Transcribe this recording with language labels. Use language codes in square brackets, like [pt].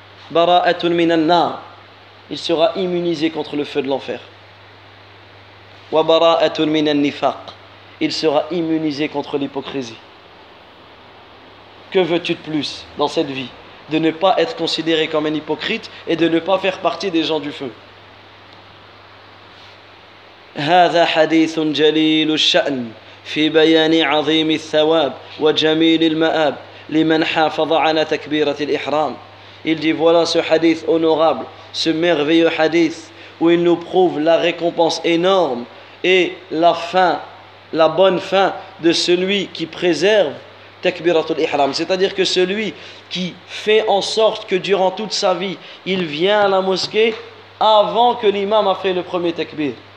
[ar] Bara'atun minan nar. [fr] Il sera immunisé contre le feu de l'enfer. [ar] Wa bara'atun minan nifaq. [fr] Il sera immunisé contre l'hypocrisie. Que veux-tu de plus dans cette vie? De ne pas être considéré comme un hypocrite et de ne pas faire partie des gens du feu. [ar] هذا حديث جليل الشأن في بيان عظيم الثواب وجميل المآب لمن حافظ على تكبيرة الإحرام. [fr] Il dit voilà ce hadith honorable, ce merveilleux hadith où il nous prouve la récompense énorme et la fin, la bonne fin de celui qui préserve takbiratul ihram. C'est-à-dire que celui qui fait en sorte que durant toute sa vie il vient à la mosquée avant que l'imam a fait le premier takbir.